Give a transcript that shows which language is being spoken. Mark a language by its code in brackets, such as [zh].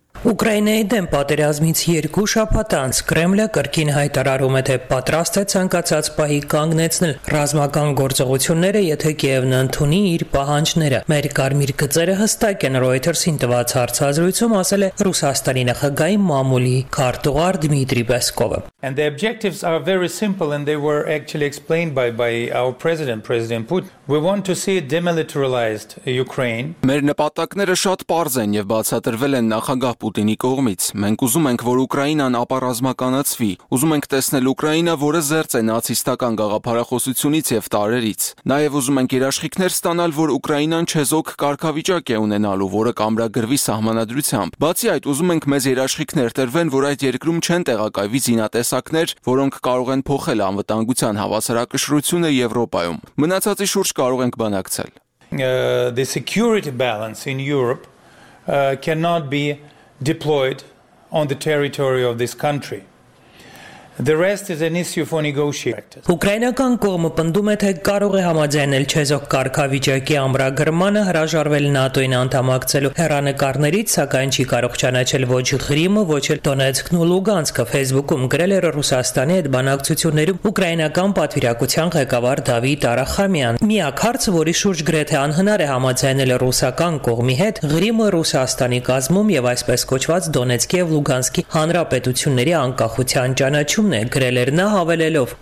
[hy] Ուկրաինայի դեմ պատերազմից 2 շաբաթ անց Կրեմլը կրկին հայտարարում է, թե պատրաստ է ցանկացած պահի կանգնեցնել ռազմական գործողությունները, եթե Կիևն ընդունի իր պահանջները։ Մեր կարմիր գծերը հստակ են, Ռոյթերսին տված հարցազրույցում ասել է Ռուսաստանի ՆԽԳ-ի մամուլի քարտուղար Դմիտրի Պեսկովը։ [en] And the objectives are very simple and they were actually explained by our President Putin. We want to see demilitarized Ukraine. [hy] Մեր նպատակները շատ պարզ են եւ բացատրվել են ՆԽԳ-ի Պուտինի կողմից։ Մենք ուզում ենք, որ Ուկրաինան ապառազմականացվի։ Ուզում ենք տեսնել Ուկրաինա, որը զերծ է նացիստական գաղափարախոսությունից եւ տարերից։ Նաեւ ուզում ենք երաշխիքներ ստանալ, որ Ուկրաինան չեզոք կարգավիճակ է ունենալու, որը կամրագրվի սահմանադրությամբ։ Բացի այդ, ուզում ենք մեզ երաշխիքներ տրվեն, որ այդ երկրում չեն տեղակայվի զինատեսակներ, որոնք կարող են փոխել անվտանգության հավասարակշռությունը Եվրոպայում։ Մնացածի շուրջ կարող ենք բանակցել։ [en] The security balance in Europe cannot be deployed on the territory of this country. The rest is an issue for negotiators. [hy] Ուկրաինական կողմը պնդում է, թե կարող է համաձայնել չեզոք կարգավիճակի ամրագրմանը, հրաժարվել ՆԱՏՕ-ին անդամակցելու հեռանկարներից, սակայն չի կարող ճանաչել ոչ Ղրիմը, ոչ էլ Դոնեցկն ու Լուգանսկը, Facebook-ում գրել էր Ռուսաստանի հետ բանակցություններում Ուկրաինական պատվիրակության ղեկավար Դավիթ Արախամյան։ Միակ հարցը, որի շուրջ գրեթե անհնար է համաձայնել ռուսական կողմի հետ, Ղրիմը Ռուսաստանի կազմում եւ այսպես կոչված Դոնեցկի եւ Լուգանսկի հանրապետությունների անկախության ճանաչում ունեն գրել էր նա, հավելելով.